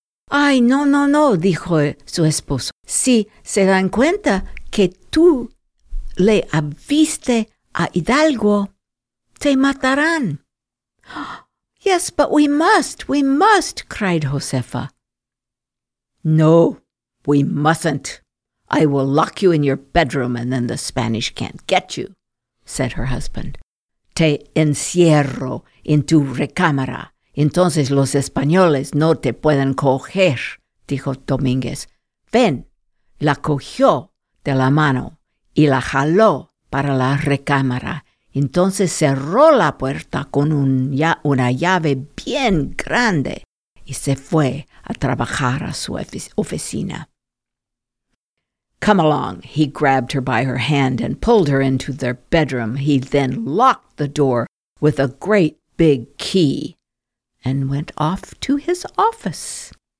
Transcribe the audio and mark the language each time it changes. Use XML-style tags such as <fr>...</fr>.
<es>"Ay, no, no, no," dijo su esposo. "Si se dan cuenta que tú le aviste a Hidalgo, te matarán."</es> <en>"Yes, but we must," cried Josefa. "No, we mustn't. I will lock you in your bedroom and then the Spanish can't get you," said her husband.</en> <es>"Te encierro en tu recámara. Entonces los españoles no te pueden coger," dijo Domínguez. "Ven," la cogió de la mano y la jaló para la recámara. Entonces cerró la puerta con una llave bien grande y se fue a trabajar a su oficina.</es> <en>"Come along," he grabbed her by her hand and pulled her into their bedroom. He then locked the door with a great big key and went off to his office.</en>